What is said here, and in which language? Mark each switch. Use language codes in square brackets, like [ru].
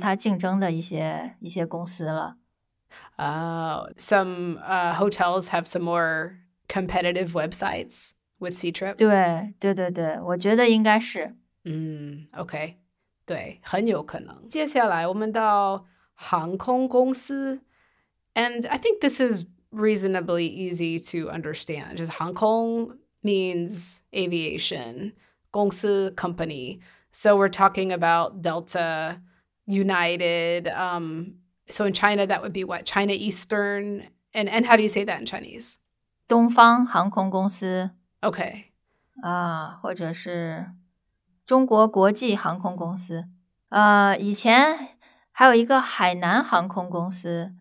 [zh] 现在买票应该还是经常有人买，但是酒店可能就有更多的竞争的和它竞争的一些公司了。 [en] Some hotels have some more competitive websites with C-Trip. [zh] 对,我觉得应该是。 Okay, 对,很有可能。接下来我们到航空公司, [en] and I think this is reasonably easy to understand. Just 航空 means aviation, 公司, company. So we're talking about Delta, United, So in China, that would be what? China Eastern? And how do you say that in Chinese? [zh] 东方航空公司。 [en] Okay. [zh] 或者是中国国际航空公司。以前还有一个海南航空公司,